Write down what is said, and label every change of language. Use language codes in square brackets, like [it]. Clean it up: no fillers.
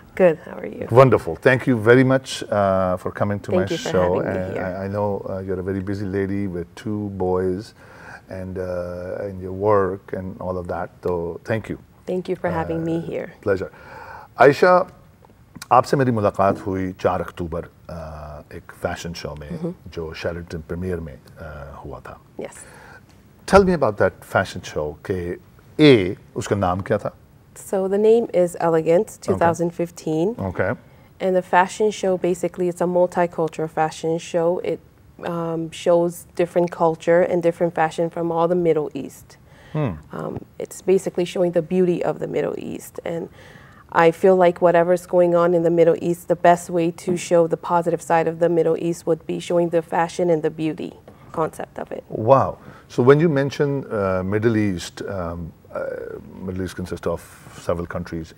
[en] Good, how are you? Wonderful. Thank you very much for coming to Thank you for show. Having me here. I know you're a very busy lady with two boys and your work and all of that. So thank you. Thank you for having me here. [hi] Pleasure. Aisha, aapse meri mulaqat hui 4 October. एक fashion show में जो Sheraton premiere में हुआ था. [en] Yes. Tell me about that fashion show. के ए [hi] उसका नाम क्या था? [en] So the name is elegant 2015. Okay. And the fashion show basically it's a multicultural fashion show. It shows different culture and different fashion from all the Middle East. It's basically showing the beauty of the Middle East. And I feel like whatever's going on in the Middle East, the best way to show the positive side of the Middle East would be showing the fashion and the beauty concept of it. Wow. So when you mention Middle East, Middle East consists of several countries.